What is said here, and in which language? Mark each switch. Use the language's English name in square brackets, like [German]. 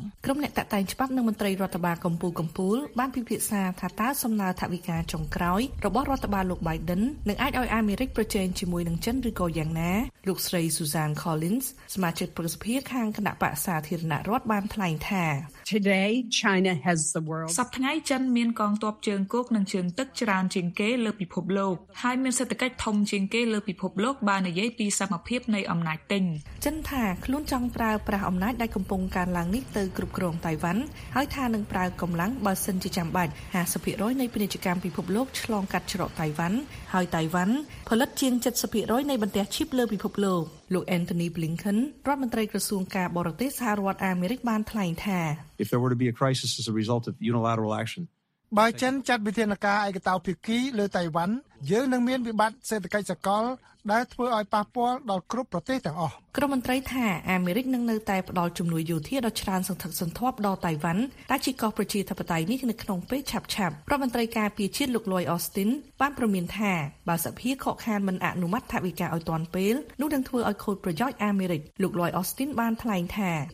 [Khmer] ក្រុមអ្នកតតែងច្បាប់នឹងមន្ត្រីរដ្ឋបាលកម្ពុជាបានពិភាក្សាថាតើសំណើថវិកាចុងក្រោយរបស់រដ្ឋបាលលោក Biden នឹងអាចឲ្យអាមេរិកប្រជែងជាមួយនឹងចិនឬក៏យ៉ាងណាលោកស្រី Susan Collins សមាជិកប្រឹក្សាភិបាលខាងគណៈបក្សសាធារណរដ្ឋបានថ្លែងថា [English] Today China has the world [Khmer] សប្តាហ៍នេះចិនមានកងទ័ពជើងគោកនិងជើងទឹកច្រើនជាងគេលើពិភពលោកហើយមានសេដ្ឋកិច្ចធំជាងគេលើពិភពលោកបាននិយាយពីសមភាពនៃអំណាចទិញ ចិនថាខ្លួនចង់ប្រើប្រាស់អំណាចដែលកំពុងកើនឡើងនេះទៅគ្រប់គ្រងតៃវ៉ាន់ហើយថានឹងប្រើកម្លាំងបើសិនជាចាំបាច់ 50% នៃពាណិជ្ជកម្មពិភពលោកឆ្លងកាត់ច្រកតៃវ៉ាន់ហើយតៃវ៉ាន់ផលិតជាង 70% នៃបន្ទះឈីបលើពិភពលោកលោក Anthony Blinken រដ្ឋមន្ត្រីក្រសួងការបរទេសសហរដ្ឋអាមេរិកបានថ្លែងថា [English] If there were to be a crisis as a result of unilateral action [Khmer] បើចិនចាត់វិធានការឯកតោភាគីលើតៃវ៉ាន់យើងនឹងមានវិបត្តិសេដ្ឋកិច្ចសកលដែលធ្វើឲ្យប៉ះពាល់ដល់គ្រប់ប្រទេសទាំងអស់ក្រុមមន្ត្រីថាអាមេរិកនឹងនៅតែផ្ដល់ជំនួយយោធាដល់ច្រើនសន្ធឹកសន្ធាប់ដល់តៃវ៉ាន់តែជាកោះប្រជាធិបតេយ្យនេះនៅក្នុងពេលឆាប់ឆាប់រដ្ឋមន្ត្រីការពារជាតិលោកលយអូស្ទីនបានប្រមានថាបើសភាខកខានមិនអនុម័តថវិកាឲ្យទាន់ពេលនោះនឹងធ្វើឲ្យខូចប្រយោជន៍អាមេរិកលោកលយអូស្ទីនបានថ្លែងថា